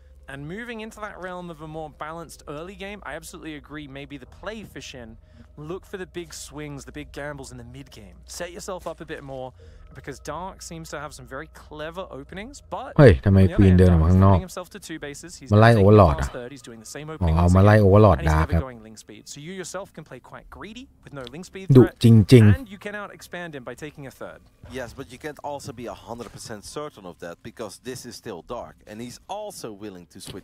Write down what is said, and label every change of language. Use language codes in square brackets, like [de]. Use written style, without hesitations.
[en] And moving into that realm of a more balanced early game, I absolutely agree. Maybe the play for Shin, look for the big swings, the big gambles in the mid game. Set yourself up a bit more, because Dark seems to have some very clever openings. But [th] hey, ทำไมควีนเดินออกมาข้างนอกมาไล่โอเวอร์ลอร์ดอ่ะอ๋อมาไล่โอเวอร์ลอร์ดดาร์กครับ [en] So you yourself can play quite greedy with no link speed threat, and you can out expand him by taking a third. Yes, but you can't also be 100% certain of that because this is still dark, and he's also willing to switch.